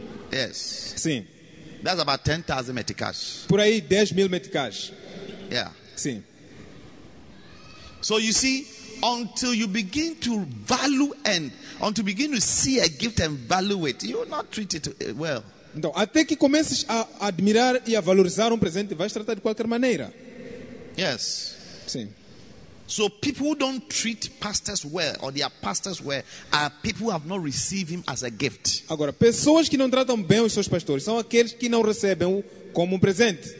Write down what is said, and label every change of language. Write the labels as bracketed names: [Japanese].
[English] Yes. [Portuguese] Sim. [English] That's about 10,000 meticais. [Portuguese] Por aí 10 mil meticais. [English] Yeah. [Portuguese] Sim. [English] So you see, until you begin to value and until you begin to see a gift and value it, you will not treat it well. [Portuguese] Então, até que comeces a admirar e a valorizar presente, vais tratar de qualquer maneira. [English] Yes. [Portuguese] Sim. [English] So people who don't treat pastors well or their pastors well are people who have not received him as a gift. [Portuguese] Agora, pessoas que não tratam bem os seus pastores são aqueles que não recebem como um presente.